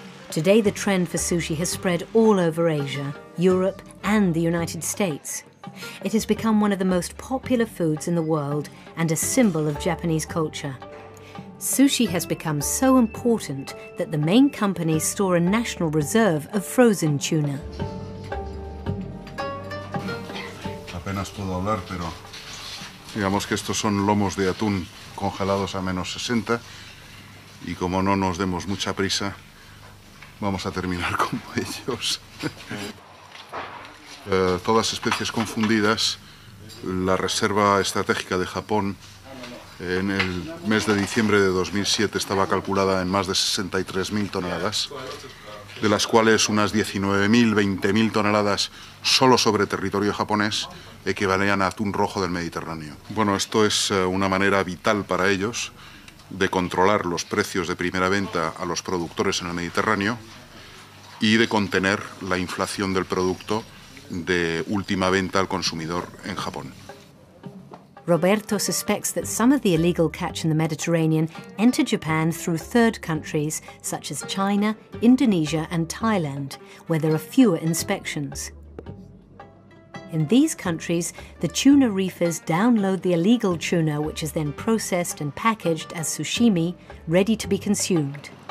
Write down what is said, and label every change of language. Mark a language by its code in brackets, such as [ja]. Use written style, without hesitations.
[en] Today, the trend for sushi has spread all over Asia, Europe, and the United States. It has become one of the most popular foods in the world and a symbol of Japanese culture. Sushi has become so important that the main companies store a national reserve of frozen tuna. [es] Apenas puedo hablar, pero digamos que estos son lomos de atún congelados a menos 60 y como no nos demos mucha prisa, vamos a terminar con ellos. todas especies confundidas, la reserva estratégica de Japón en el mes de diciembre de 2007 estaba calculada en más de 63.000 toneladas, de las cuales unas 19.000, 20.000 toneladas solo sobre territorio japonés equivalían a atún rojo del Mediterráneo. Bueno, esto es una manera vital para ellos de controlar los precios de primera venta a los productores en el Mediterráneo y de contener la inflación del producto de última venta al consumidor en Japón. [en] Roberto suspects that some of the illegal catch in the Mediterranean enter Japan through third countries such as China, Indonesia and Thailand, where there are fewer inspections. In these countries, the tuna reefers download the illegal tuna, which is then processed and packaged as sushimi, ready to be consumed.